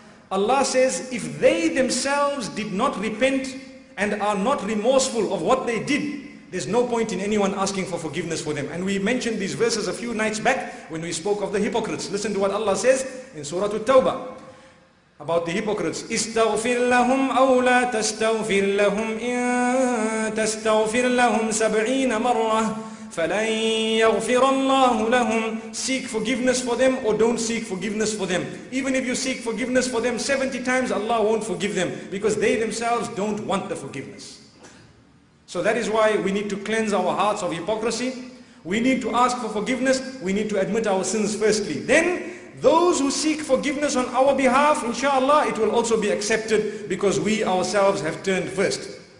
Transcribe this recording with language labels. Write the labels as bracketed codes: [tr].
[en] Allah says, if they themselves did not repent and are not remorseful of what they did, there's no point in anyone asking for forgiveness for them. And we mentioned these verses a few nights back when we spoke of the hypocrites. Listen to what Allah says in Surah At-Tawbah about the hypocrites. [ar] استغفر لهم أو لا تستغفر لهم إن تستغفر لهم سبعين مرة فلن يغفر الله لهم. [en] Seek forgiveness for them or don't seek forgiveness for them. Even if you seek forgiveness for them 70 times, Allah won't forgive them because they themselves don't want the forgiveness. So that is why we need to cleanse our hearts of hypocrisy. We need to ask for forgiveness. We need to admit our sins firstly. Then those who seek forgiveness on our behalf, inshallah, it will also be accepted because we ourselves have turned first.